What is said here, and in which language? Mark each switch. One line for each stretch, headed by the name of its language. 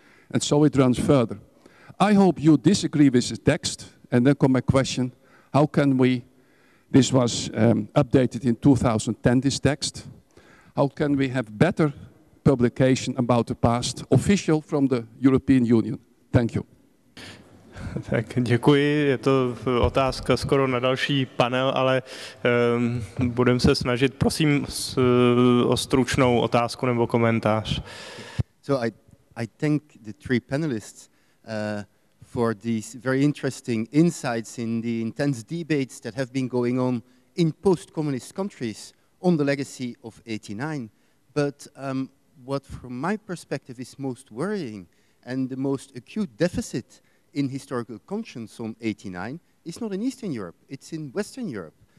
English: And so it runs further. I hope you disagree with this text, and then come my question, how can we, this was updated in 2010, this text, how can we have better publication about the past, official from the European Union? Thank you.
Czech: Tak děkuji, je to otázka skoro na další panel, ale budem se snažit, prosím, o stručnou otázku nebo komentář.
English: So I think the three panelists for these very interesting insights in the intense debates that have been going on in post-communist countries on the legacy of 89. But what from my perspective is most worrying and the most acute deficit in historical conscience on 89 is not in Eastern Europe, it's in Western Europe.